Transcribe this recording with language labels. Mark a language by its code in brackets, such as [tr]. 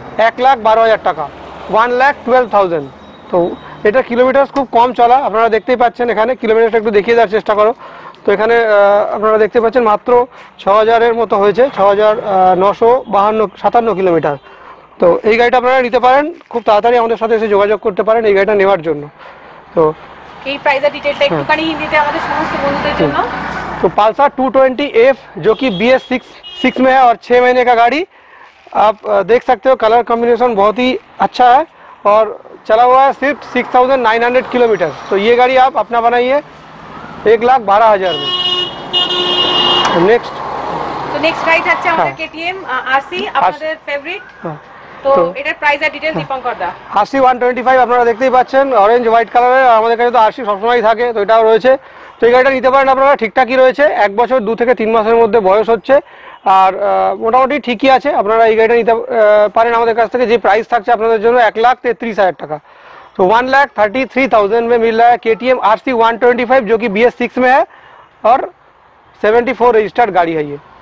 [bn] 1,12,000 টাকা 1,12,000 তো এটা কিলোমিটার খুব কম চলা আপনারা দেখতেই পাচ্ছেন এখানে কিলোমিটারটা একটু দেখিয়ে দেওয়ার চেষ্টা করো তো এখানে আপনারা দেখতে পাচ্ছেন মাত্র 6,000-এর মতো হয়েছে 6,957 কিলোমিটার তো এই গাড়িটা আপনারা নিতে পারেন খুব তাড়াতাড়ি আমাদের সাথে এসে যোগাযোগ করতে পারেন এই গাড়িটা নেওয়ার জন্য তো এই প্রাইসের ডিটেইলটা একটুখানি হিন্দিতে আমাদের সমস্ত বন্ধুদের জন্য [hi] তো পালসার 220F जो कि BS6 में है और 6 महीने का गाड़ी आप देख सकते हो कलर कॉम्बिनेशन बहुत ही अच्छा है और चला हुआ है सिर्फ 6,900 किलोमीटर तो ये गाड़ी आप अपना बनाइए 1,12,000 में नेक्स्ट राइट अच्छा हमारा [bn] KTM RC আপনাদের ফেভারিট তো এটার প্রাইস আর ডিটেইল দীপঙ্কর দা RC 125 আপনারা দেখতেই পাচ্ছেন অরেঞ্জ হোয়াইট কালারে আমাদের কাছে তো RC সবসময়ই থাকে তো এটাও রয়েছে তো এই গাড়িটা নিতে পারেন আপনারা ঠিকঠাকই রয়েছে 1 বছর 2 থেকে 3 মাসের মধ্যে বয়স হচ্ছে আর মোটামুটি ঠিকই আছে আপনারা এই গাড়িটা নিতে পারেন আমাদের কাছ থেকে যে প্রাইস থাকছে আপনাদের জন্য 1,33,000 টাকা তো [hi] 1,33,000 में मिल रहा है KTM RC 125 जो कि BS6 में है और 74 रजिस्टर्ड गाड़ी है ये